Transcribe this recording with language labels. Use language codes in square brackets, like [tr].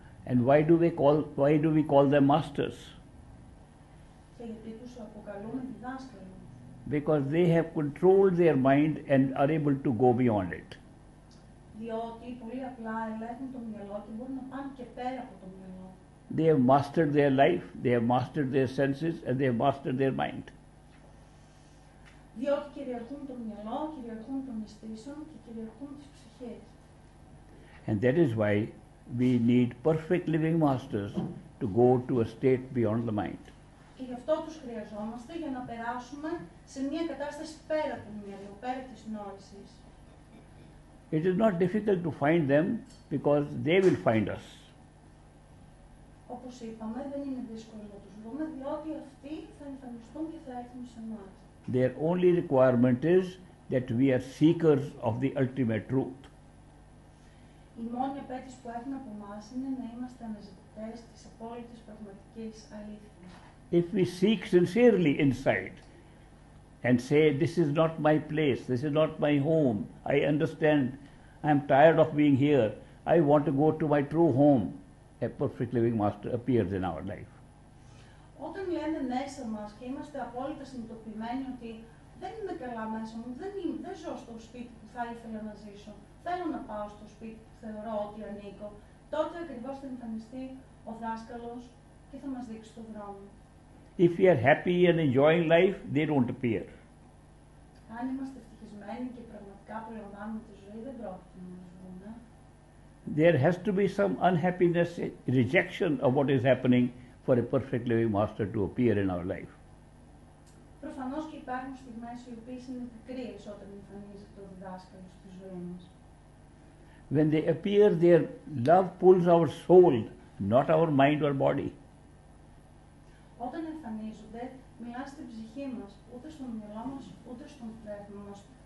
[en] And why do we call them masters? [el] Και γιατί τους αποκαλούμε διδάσκαλοι. [en] Because they have controlled their mind and are able to go beyond it. [el] Διότι πολύ απλά ελέγχουν το μυαλό και μπορούν να πάνε και πέρα από το μυαλό. [en] They have mastered their life, they have mastered their senses and they have mastered their mind. [el] Διότι κυριαρχούν το μυαλό, κυριαρχούν των αισθήσεων και κυριαρχούν τις ψυχές. [en] And that is why we need perfect living masters to go to a state beyond the mind. [el] Και γι' αυτό τους χρειαζόμαστε για να περάσουμε σε μια κατάσταση πέρα του μυαλού, πέρα της νόησης. [en] It is not difficult to find them because they will find us. [el] Όπως είπαμε, δεν είναι δύσκολο να τους βρούμε, διότι αυτοί θα εμφανιστούν και θα έρθουν σε εμάς. [en] Their only requirement is that we are seekers of the ultimate truth. [el] Η μόνη απέτηση που έχουν από εμάς είναι να είμαστε αναζητητές της απόλυτης πραγματικής αλήθειας. [en] If we seek sincerely inside and say, this is not my place, this is not my home, I understand, I am tired of being here, I want to go to my true home, a perfect living master appears in our life. [el] Όταν λέμε μέσα μας και είμαστε απόλυτα συνειδητοποιημένοι ότι δεν είμαι καλά μέσα μου, δεν ζω στο σπίτι που θα ήθελα να ζήσω, θέλω να πάω στο σπίτι που θεωρώ ότι ανήκω, τότε ακριβώς θα εμφανιστεί ο δάσκαλος και θα μας δείξει τον δρόμο. [en] If we are happy and enjoying life, they don't appear. [el] Αν είμαστε ευτυχισμένοι και πραγματικά απολαμβάνουμε τη ζωή, δεν πρόκειται να μας δούμε. [en] There has to be some unhappiness, rejection of what is happening for a perfect living master to appear in our life. [el] Προφανώς και υπάρχουν στιγμές οι οποίες είναι πικρίες όταν εμφανίζεται ο διδάσκαλος στη ζωή μας. [en] When they appear, their love pulls our soul, not our mind or body. [el] Όταν εμφανίζονται, μιλά στην ψυχή μας, ούτε στο μυαλό μας, ούτε στον πνεύμα μας.